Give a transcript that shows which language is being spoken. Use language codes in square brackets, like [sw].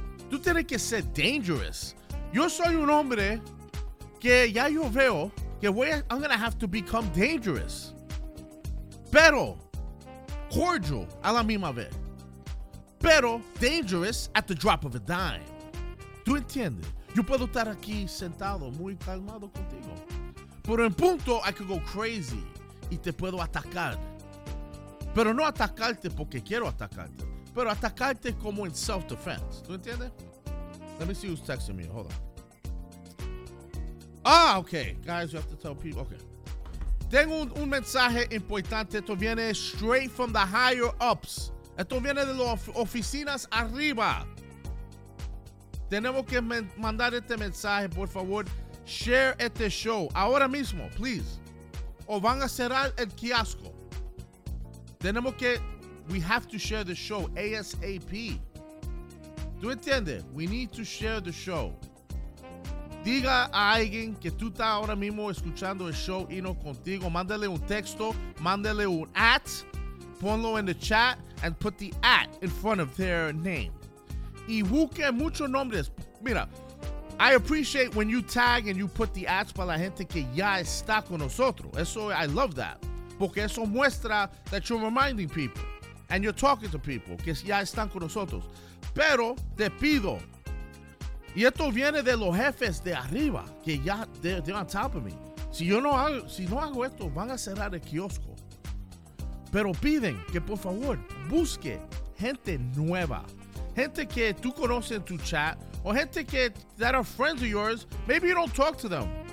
[es] Tú tienes que ser dangerous. Yo soy un hombre que ya yo veo que [en] I'm going to have to become dangerous. [es] Pero cordial a la misma vez. Pero [en] dangerous at the drop of a dime. [es] ¿Tú entiendes? Yo puedo estar aquí sentado, muy calmado contigo. Pero en punto, [en] I could go crazy [es] y te puedo atacar. Pero no atacarte porque quiero atacarte, pero atacarte como en self-defense. ¿Tú entiendes? [en] Let me see who's texting me. Hold on. Ah, okay. Guys, you have to tell people. Okay. [es] Tengo un mensaje importante. Esto viene [en] straight from the higher ups. [es] Esto viene de las oficinas arriba. Tenemos que mandar este mensaje, por favor. Share este show ahora mismo, please. O van a cerrar el kiosco. Tenemos que... [en] We have to share the show ASAP. [es] ¿Tú entiendes? [en] We need to share the show. [es] Diga a alguien que tú estás ahora mismo escuchando el show y no contigo. Mándale un texto. Mándale un at. Ponlo en el chat. [en] And put the at in front of their name. [es] Y busque muchos nombres. Mira, [en] I appreciate when you tag and you put the ads [es] para la gente que ya está con nosotros. Eso, [en] I love that. [es] Porque eso muestra [en] that you're reminding people. And you're talking to people [es] que ya están con nosotros. Pero te pido, y esto viene de los jefes de arriba, que ya [en] they're on top of me. [es] Si no hago esto, van a cerrar el kiosco. Pero piden que por favor busque gente nueva. Gente que tú conoces en tu chat, [en] or [es] gente que [en] that are friends of yours, maybe you don't talk to them.